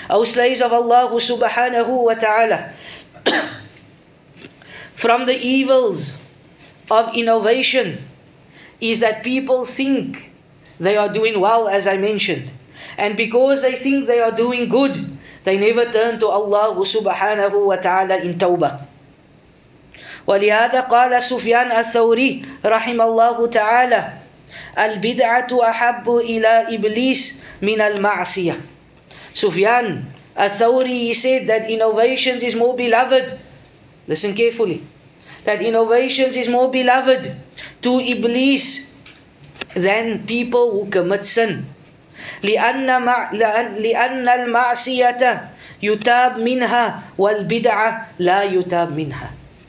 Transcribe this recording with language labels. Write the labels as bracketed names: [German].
[English] O slaves of Allah subhanahu wa ta'ala, from the evils of innovation is that people think they are doing well, as I mentioned. And because they think they are doing good, they never turn to Allah subhanahu wa ta'ala in tawbah. [Arabic] ولهذا قال سفيان الثوري رحم الله تعالى البدعة أحب إلى إبليس من المعصية. [English] سفيان الثوري, he said that innovations is more beloved, listen carefully, that innovations is more beloved to Iblis than people who commit sin. [Arabic] لأن المعصية يتاب منها والبدعة لا يتاب منها.